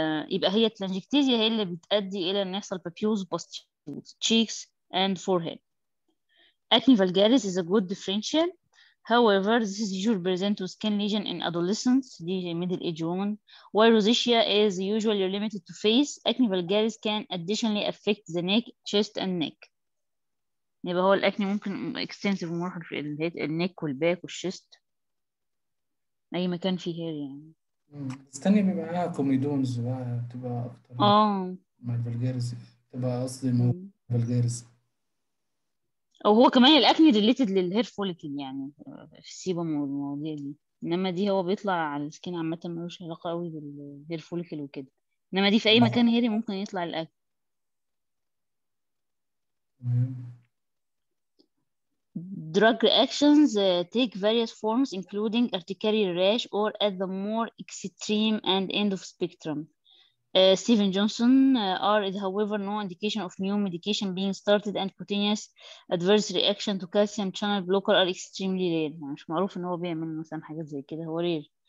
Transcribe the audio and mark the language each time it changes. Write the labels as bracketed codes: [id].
[ar] يبقى هي التلانجكتيزيا هي اللي بتؤدي الى ان يحصل [en] papules, pustules, cheeks and forehead. Acne vulgaris is a good differential. However, this is usually present with skin lesion in adolescents, the middle age woman. While rosacea is usually limited to face, acne vulgaris can additionally affect the neck, chest and neck. [ar] يبقى هو الاكني ممكن اكستنسيف ومرحب في الهيت النيك والباك والشيست، اي مكان فيه هير يعني. استني بيبقى معاها كوميدونز بقى بتبقى اكتر مع الفلجارس، تبقى قصدي الموضوع الفلجارس. وهو كمان الاكني ريليتد للهير فوليكل يعني، في سيبه من المواضيع دي، انما دي هو بيطلع على السكين عامه، ملوش علاقه قوي بالهير فوليكل وكده، انما دي في اي مكان هيري ممكن يطلع الاكني. [en] Drug reactions take various forms, including urticaria rash, or at the more extreme and end of spectrum. Stephen Johnson, R is, however, no indication of new medication being started, and cutaneous adverse reaction to calcium channel blocker are extremely rare. [ar] مش معروف إن هو بيعمل مثلاً حاجات زي كده، هو rare.